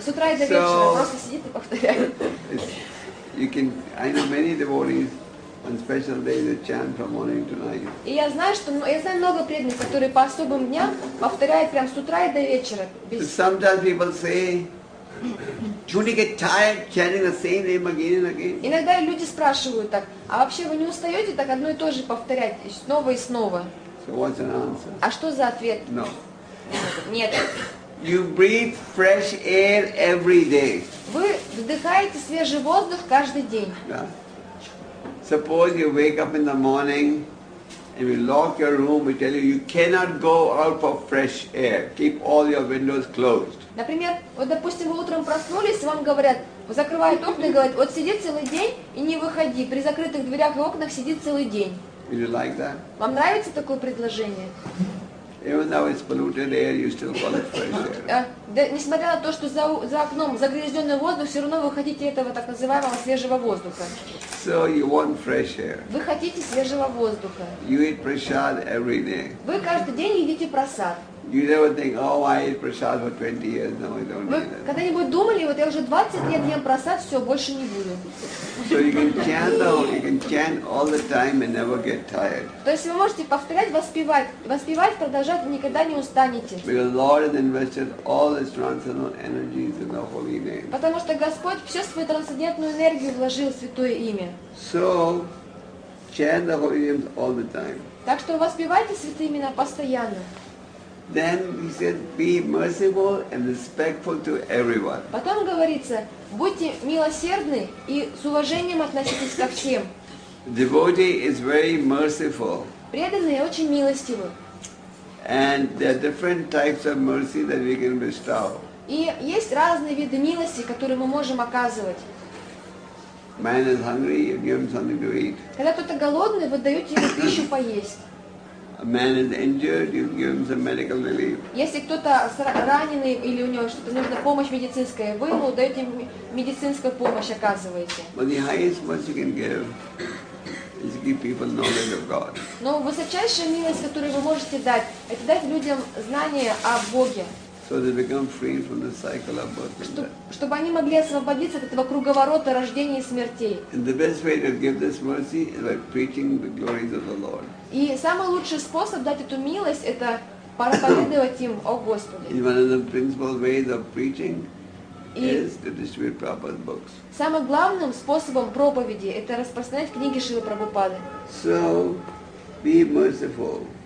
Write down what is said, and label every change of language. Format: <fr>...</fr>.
<ru>С утра и до вечера просто сидит и повторяет.</ru> <en>You can, I know many devotees on special days they chant from morning to night.</en> <ru>И я знаю, что я знаю много преданных, которые по особым дням повторяют прям с утра и до вечера.</ru> <en>Sometimes people say, "Don't you get tired chanting the same name again and again?"</en> <ru>Иногда люди спрашивают так: "А вообще вы не устаете так одно и то же повторять снова и снова?"</ru> <en>So what's an answer?</en> <ru>А что за ответ?</ru> <en>No.</en> <ru>Нет.</ru> <en>You breathe fresh air every day.</en> <ru>Вы вдыхаете свежий воздух каждый день. Да.</ru> <en>Suppose you wake up in the morning and we lock your room, we tell you you cannot go out for fresh air. Keep all your windows closed.</en> <ru>Например, вот допустим, вы утром проснулись, вам говорят, закрывают окна и говорят, вот сиди целый день и не выходи. При закрытых дверях и окнах сиди целый день.</ru> <en>Would you like that?</en> <ru>Вам нравится такое предложение?</ru> <en>Even though it's polluted air, you still call it fresh air.</en> <ru>Да, несмотря на то, что за окном загрязненный воздух, все равно вы хотите этого так называемого свежего воздуха.</ru> <en>So you want fresh air.</en> <ru>Вы хотите свежего воздуха.</ru> <en>You eat prasad every day.</en> <ru>Вы каждый день едите прасад.</ru> <en>You never think, oh, I ate prasad for 20 years, no, I don't need it.</en> <ru>Когда-нибудь думали, вот я уже 20 лет ем прасад, все, больше не буду.</ru> <en>So you can chant all the time and never get tired.</en> <ru>То есть вы можете повторять, воспевать, продолжать, никогда не устанете.</ru> <en>Because the Lord has invested all His transcendental energies in the Holy Name.</en> <ru>Потому что Господь всю свою трансцендентную энергию вложил в Святое Имя.</ru> <en>So, chant the Holy Name all the time.</en> <ru>Так что воспевайте Святые Имена постоянно.</ru> <en>Then he said, "Be merciful and respectful to everyone."</en> <ru>Потом говорится, будьте милосердны и с уважением относитесь ко всем.</ru> <en>Devotee is very merciful.</en> <ru>Преданные очень милостивы.</ru> <en>And there are different types of mercy that we can bestow.</en> <ru>И есть разные виды милости, которые мы можем оказывать.</ru> <en>Man is hungry, you give him something to eat.</en> <ru>Когда кто-то голодный, вы даете ему пищу поесть.</ru> <en>A man is injured, you give him some medical relief.</en> <ru>Если кто-то раненый или у него что-то нужна помощь медицинская, вы ему даете медицинскую помощь, оказываете.</ru> <en>But the highest mercy you can give is to give people knowledge of God.</en> <ru>Но высочайшая милость, которую вы можете дать, это дать людям знание о Боге.</ru> <en>So they become free from the cycle of birth and death.</en> <ru>Чтобы они могли освободиться от этого круговорота рождения и смертей.</ru> <en>And the best way to give this mercy is by preaching the glories of the Lord.</en> <ru>И самый лучший способ дать эту милость – это проповедовать им о Господе.</ru> <en>One of the principal ways of preaching is to distribute Prabhupada's books.</en> <ru>Самым главным способом проповеди – это распространять книги Шрилы Прабхупады.</ru> <en>So, be merciful.</en>